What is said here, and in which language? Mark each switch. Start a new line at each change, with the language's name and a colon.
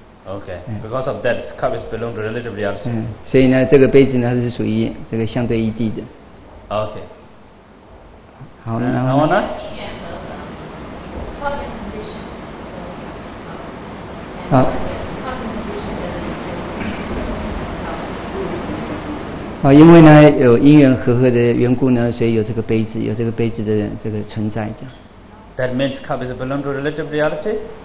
English: Okay, because of that, cup is belong to relative reality.
Chinese: 嗯，所以呢，这个杯子呢，它是属于这个相对异地的。
English: Okay.
Chinese: 好，然后呢？好。好，因为呢有因缘和合的缘故呢，所以有这个杯子，有这个杯子的这个存在，这样。
English: That means cup is belong to relative reality.